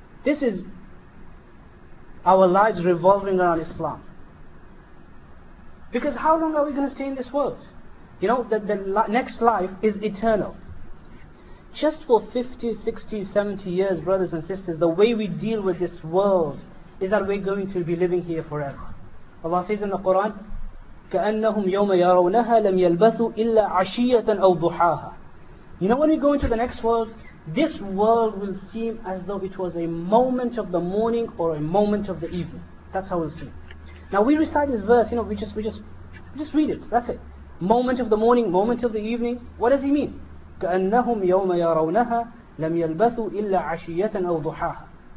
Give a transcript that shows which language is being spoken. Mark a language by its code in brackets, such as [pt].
[en] This is our lives revolving around Islam. Because how long are we going to stay in this world? You know, that the next life is eternal. Just for 50, 60, 70 years, brothers and sisters, the way we deal with this world is that we're going to be living here forever. Allah says in the Quran, [ar] كَأَنَّهُمْ يَوْمَ يَرَوْنَهَا لَمْ يَلْبَثُوا إِلَّا عَشِيَّةً أَوْ ضُحَاهَا. [en] You know, when you go into the next world, this world will seem as though it was a moment of the morning or a moment of the evening. That's how we'll see. Now we recite this verse, you know, we just read it, that's it. Moment of the morning, moment of the evening. What does he mean? [ar] كَأَنَّهُمْ يَوْمَ يَرَوْنَهَا لَمْ يَلْبَثُوا إِلَّا عَشِيَّةً أَوْ ضُحَاهَا.